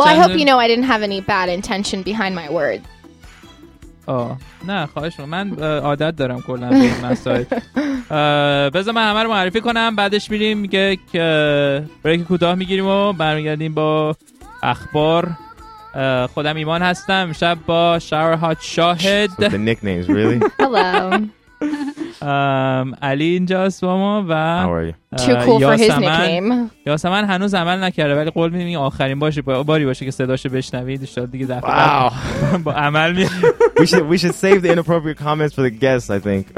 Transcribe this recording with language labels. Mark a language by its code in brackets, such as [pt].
[en] Well, I hope you know I didn't have any bad intention behind my words. [fa] نه خواهش رو من عادت دارم کلن به این مسائل. بذار من همه رو معرفی کنم بعدش میریم که بریک کوتاه میگیریم و برمیگردیم با اخبار. خودم ایمان هستم شب با شاور هات شاهد. [en] So the nicknames really. Hello. [fa] علی اینجاست با ما و [en] How are you? Too cool for his nickname. [fa] یاسمن هنوز عمل نکرده ولی قول میدیم آخرین باری باشه که صداشو بشنوید. شاید دیگه دفعه [en] wow. [fa] با عمل می [en] We should save the inappropriate comments for the guests, I think.